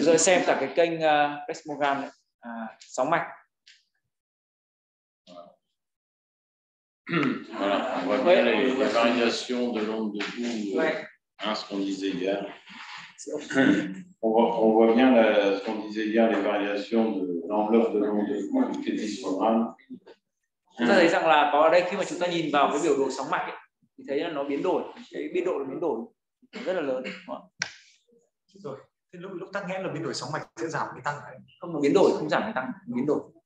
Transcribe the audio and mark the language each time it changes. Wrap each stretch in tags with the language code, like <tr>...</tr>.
<vi>Chúng ta xem cả cái kênh plethysmogram sóng mạch.</vi> <fr>Voilà, on voit bien les variations de l'onde de pouls, hein, ce qu'on disait hier. On voit bien la, ce qu'on disait hier, les variations de l'enveloppe de l'onde de pouls du plethysmogramme.</fr> <vi>Chúng ta thấy rằng là có ở đây khi mà chúng ta nhìn vào cái biểu đồ sóng mạch ấy, thì thấy là nó biến đổi, cái biên độ nó biến đổi rất là lớn. Rồi, thế lúc tắc nghẽn là biến đổi sóng mạch sẽ giảm hay tăng hay không? Biến đổi không giảm hay tăng, biến đổi.</vi>